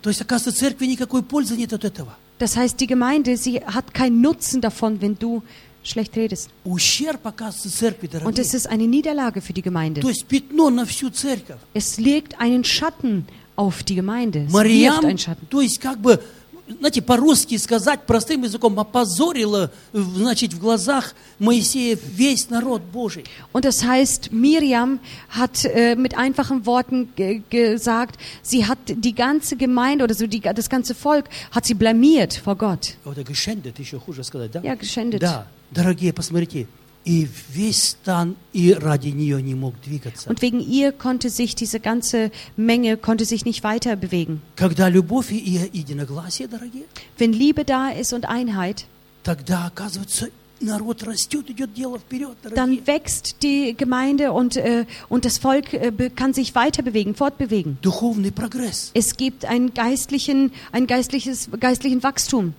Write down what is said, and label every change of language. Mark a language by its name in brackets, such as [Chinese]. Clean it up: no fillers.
[Russian] То есть, оказывается, церкви никакой пользы нет от этого. [German] Das heißt, die Gemeinde, sie hat keinen Nutzen davon, wenn du schlecht redest. [Russian] Ущерб, оказывается, церкви, дорогие. [German] Und es ist eine Niederlage für die Gemeinde. [Russian] То есть, пятно на всю церковь. [German] Es legt einen Schatten auf die Gemeinde. [Russian] Мариам, то есть, как бы, знаете, по-русски сказать простым языком, опозорила, значит, в глазах Моисея весь народ Божий. [German] Und das heißt, Miriam hat mit einfachen Worten gesagt, sie hat die ganze Gemeinde oder so das ganze Volk hat sie blamiert vor Gott. Oder geschändet, [Russian] еще хуже сказать, да? [German] Ja, geschändet. [Russian] Да, дорогие, посмотрите, и весь стан и ради нее не мог двигаться. [German] Und wegen ihr konnte sich diese ganze Menge konnte sich nicht weiter bewegen. [Russian] Когда любовь и единогласие, дорогие, [German] wenn Liebe da ist und Einheit, [Russian] тогда, оказывается, народ растет, идет дело вперед, дорогие. [German] Dann wächst die Gemeinde und das Volk kann sich weiter bewegen, fortbewegen. [Russian] Духовный прогресс. [German] Es gibt ein geistliches Wachstum.